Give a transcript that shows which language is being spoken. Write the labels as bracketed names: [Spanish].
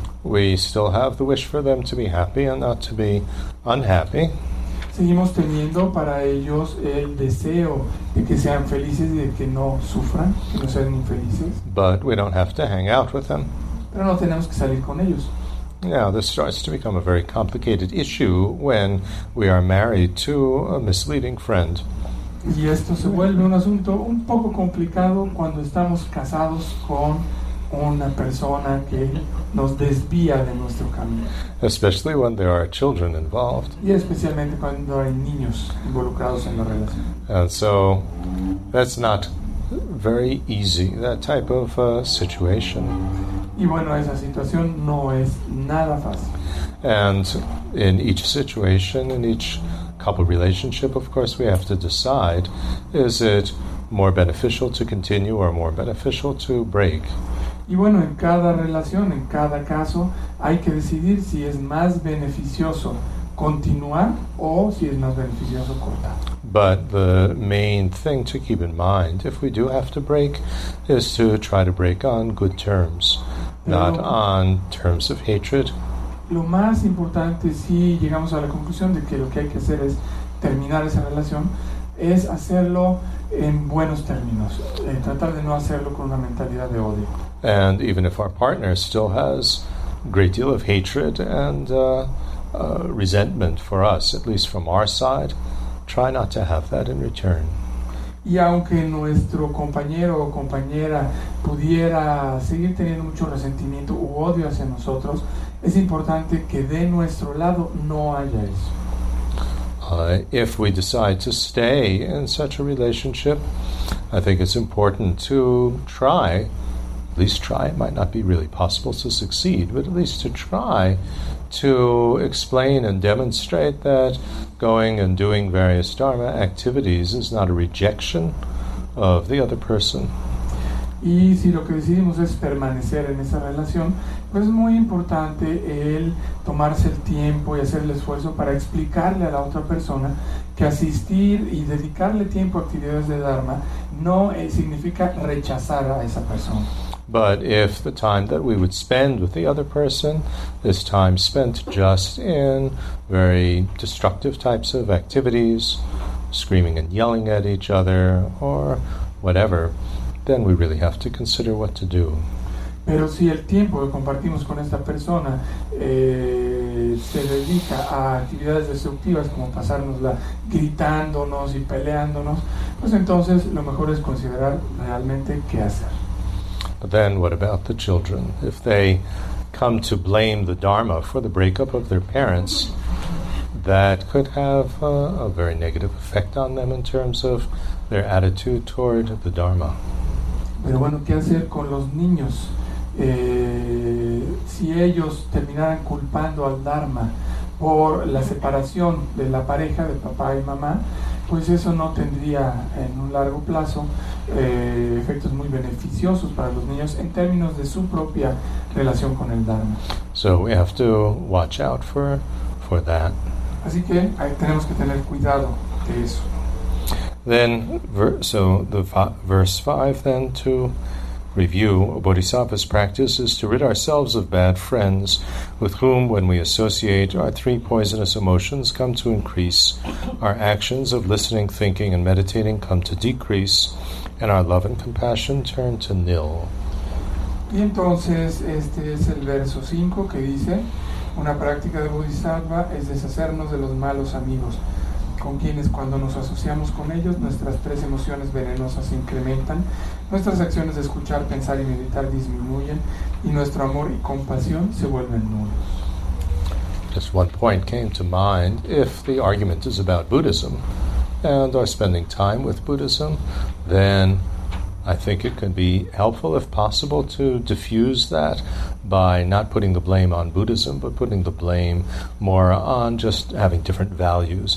[English] We still have the wish for them to be happy and not to be unhappy. [Spanish] Seguimos teniendo para ellos el deseo de que sean felices y de que no sufran, que no sean infelices. [English] But we don't have to hang out with them. [Spanish] Pero no tenemos que salir con ellos. [English] Now, this starts to become a very complicated issue when we are married to a misleading friend. [Spanish] Y esto se vuelve un asunto un poco complicado cuando estamos casados con una persona que nos desvía de nuestro camino. [English] Especially when there are children involved. [Spanish] Y especialmente cuando hay niños involucrados en la relación. [English] And so, that's not very easy, that type of situation. [Spanish] Y bueno, esa situación no es nada fácil. [English] And in each situation, in each couple relationship, of course, we have to decide, is it more beneficial to continue or more beneficial to break? [Spanish] Y bueno, en cada relación, en cada caso, hay que decidir si es más beneficioso continuar o si es más beneficioso cortar. [English] But the main thing to keep in mind, if we do have to break, is to try to break on good terms, not on terms of hatred. [Spanish] Lo más importante, si llegamos a la conclusión de que lo que hay que hacer es terminar esa relación, es hacerlo en buenos términos, tratar de no hacerlo con una mentalidad de odio. [English] And even if our partner still has a great deal of hatred and resentment for us, at least from our side, try not to have that in return. [Spanish] Y aunque nuestro compañero o compañera pudiera seguir teniendo mucho resentimiento u odio hacia nosotros, es importante que de nuestro lado no haya eso. [English] If we decide to stay in such a relationship, I think it's important to try. At least try. It might not be really possible to succeed, but at least to try to explain and demonstrate that going and doing various Dharma activities is not a rejection of the other person. [Spanish] Y si lo que decidimos es permanecer en esa relación, pues es muy importante el tomarse el tiempo y hacer el esfuerzo para explicarle a la otra persona que asistir y dedicarle tiempo a actividades de Dharma no significa rechazar a esa persona. [English] But if the time that we would spend with the other person is time spent just in very destructive types of activities, screaming and yelling at each other, or whatever, then we really have to consider what to do. [Spanish] Pero si el tiempo que compartimos con esta persona se dedica a actividades destructivas como pasárnosla gritándonos y peleándonos, pues entonces lo mejor es considerar realmente qué hacer. [English] But then what about the children? If they come to blame the Dharma for the breakup of their parents, that could have a very negative effect on them in terms of their attitude toward the Dharma. [Spanish] Pero bueno, ¿qué hacer con los niños? Si ellos terminaran culpando al Dharma por la separación de la pareja de papá y mamá, pues eso no tendría en un largo plazo efectos muy beneficiosos para los niños en términos de su propia relación con el Dharma. [English] So we have to watch out for that. [Spanish] Así que ahí tenemos que tener cuidado de eso. [English] Then, so the verse 5 then to review, a bodhisattva's practice is to rid ourselves of bad friends with whom, when we associate, our three poisonous emotions come to increase, our actions of listening, thinking, and meditating come to decrease, and our love and compassion turn to nil. [Spanish] Y entonces, este es el verso 5 que dice, una práctica de bodhisattva es deshacernos de los malos amigos, con quienes cuando nos asociamos con ellos, nuestras tres emociones venenosas se incrementan, nuestras acciones de escuchar, pensar y meditar disminuyen y nuestro amor y compasión se vuelven nulos. [English] Just one point came to mind. If the argument is about Buddhism and are spending time with Buddhism, then I think it can be helpful, if possible, to diffuse that by not putting the blame on Buddhism, but putting the blame more on just having different values.